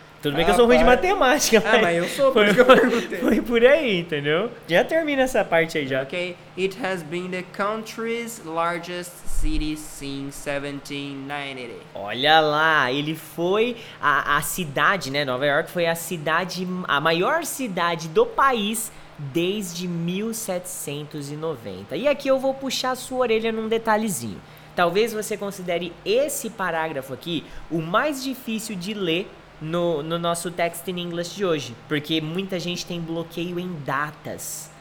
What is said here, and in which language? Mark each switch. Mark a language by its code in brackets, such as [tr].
[pt] Tudo bem que eu sou ruim de matemática, mas... mas eu sou, por isso que eu perguntei. Foi por aí, entendeu? Já termina essa parte aí, já. Ok. [en] It has been the country's largest city since 1790. [pt] Olha lá, ele foi a cidade, né? Nova York foi a maior cidade do país desde 1790. E aqui eu vou puxar a sua orelha num detalhezinho. Talvez você considere esse parágrafo aqui o mais difícil de ler no nosso Text in English de hoje, porque muita gente tem bloqueio em datas.